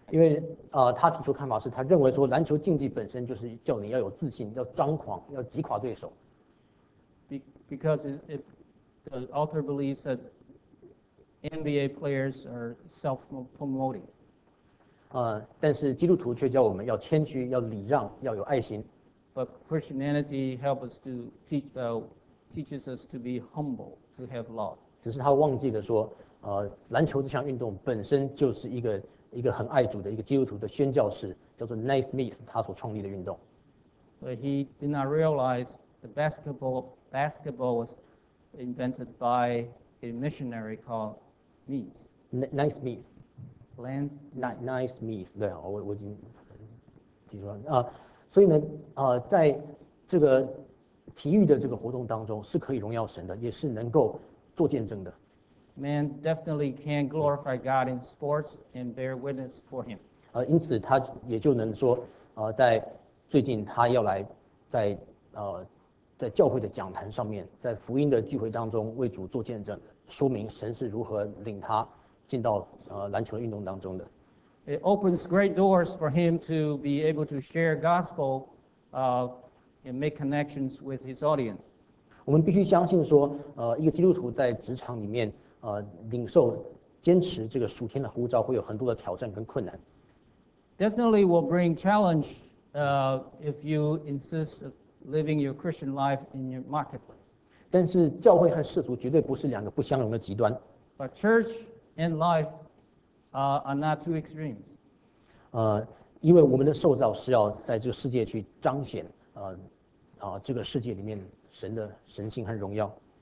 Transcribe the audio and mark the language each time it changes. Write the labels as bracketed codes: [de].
[zh] 因为他提出看法是，他认为说，篮球竞技本身就是叫你要有自信，要张狂，要击垮对手。 [en] Because the author believes that NBA players are self-promoting. [zh] 但是基督徒却叫我们要谦虚，要礼让，要有爱心。 [en] But Christianity helps us to teaches us to be humble, to have love. [zh] 只是他忘记了说，篮球这项运动本身就是一个很爱主的一个基督徒的宣教士，叫做 Naismith 他所创立的运动。 [en] But he did not realize the basketball was invented by a missionary called Meese. Nice Meese. Lance. [zh] Nice Meese. 对，我已经记住了。所以呢，在这个体育的这个活动当中，是可以荣耀神的，也是能够做见证的。 [en] Man definitely can glorify God in sports and bear witness for Him. [zh] 因此他也就能说，在最近他要来在在教会的讲坛上面，在福音的聚会当中为主做见证，说明神是如何领他进到篮球运动当中的。 [en] It opens great doors for him to be able to share gospel, and make connections with his audience. [zh] 我们必须相信说，一个基督徒在职场里面，领受坚持这个属天的呼召，会有很多的挑战跟困难。 [en] Definitely will bring challenge, if you insist living your Christian life in your marketplace. [zh] 但是教会和世俗绝对不是两个不相容的极端。 [en] But church and life, are not two extremes. [zh] 因为我们的受造是要在这个世界去彰显，这个世界里面神的神性和荣耀。